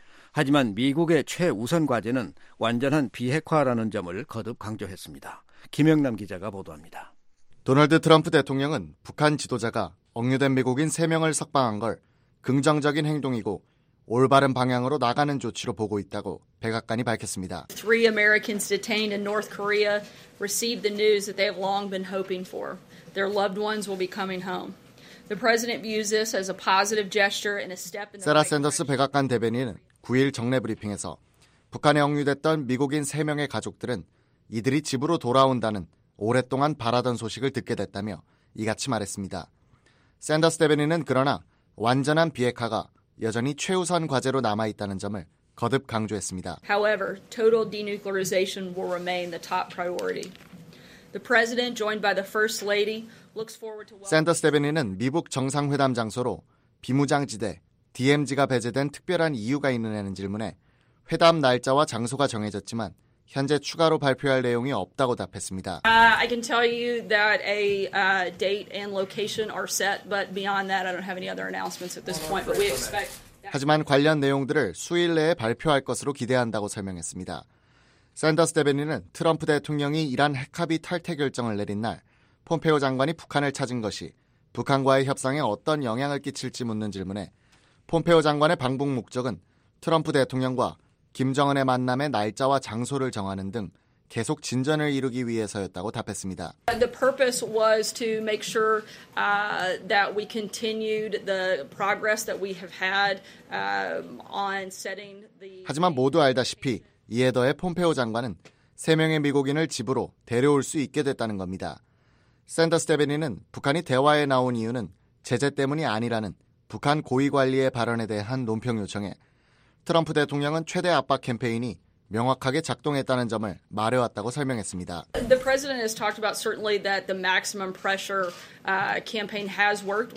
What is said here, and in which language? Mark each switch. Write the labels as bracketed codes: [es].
[ko] 하지만 미국의 최우선 과제는 완전한 비핵화라는 점을 거듭 강조했습니다. 김영남 기자가 보도합니다. 도널드 트럼프 대통령은 북한 지도자가 억류된 미국인 3명을 석방한 걸 긍정적인 행동이고 올바른 방향으로 나가는 조치로 보고 있다고 백악관이 밝혔습니다. [en] 3 Americans detained in North Korea received the news that they have long been hoping for. Their loved ones will be coming home. The president views this as a positive gesture and a step in the right direction. [ko] 세라 샌더스 백악관 대변인은 9일 정례 브리핑에서 북한에 억류됐던 미국인 3명의 가족들은 이들이 집으로 돌아온다는 오랫동안 바라던 소식을 듣게 됐다며 이같이 말했습니다. 샌더스 대변인은 그러나 완전한 비핵화가 여전히 최우선 과제로 남아있다는 점을 거듭 강조했습니다. [en] However, total denuclearization will remain the top priority. The president, joined by the first lady, looks forward to. [ko] 샌더스 대변인은 미북 정상회담 장소로 비무장지대 DMZ가 배제된 특별한 이유가 있느냐는 질문에 회담 날짜와 장소가 정해졌지만 현재 추가로 발표할 내용이 없다고 답했습니다. [en] I can tell you that a date and location are set, but beyond that, I don't have any other announcements at this point. But we expect. [ko] 하지만 관련 내용들을 수일 내에 발표할 것으로 기대한다고 설명했습니다. 샌더스 대변인은 트럼프 대통령이 이란 핵합의 탈퇴 결정을 내린 날 폼페오 장관이 북한을 찾은 것이 북한과의 협상에 어떤 영향을 끼칠지 묻는 질문에 폼페오 장관의 방북 목적은 트럼프 대통령과 김정은의 만남의 날짜와 장소를 정하는 등 계속 진전을 이루기 위해서였다고 답했습니다. [en] The purpose was to make sure that we continued the progress that we have had on setting the. [ko] 하지만 모두 알다시피 이에 더해 폼페오 장관은 세 명의 미국인을 집으로 데려올 수 있게 됐다는 겁니다. 샌더스 대변인은 북한이 대화에 나온 이유는 제재 때문이 아니라는 북한 고위 관리의 발언에 대한 논평 요청에 트럼프 대통령은 최대 압박 캠페인이 명확하게 작동했다는 점을 말해왔다고 설명했습니다. [en] The president has talked about certainly that the maximum pressure campaign has worked.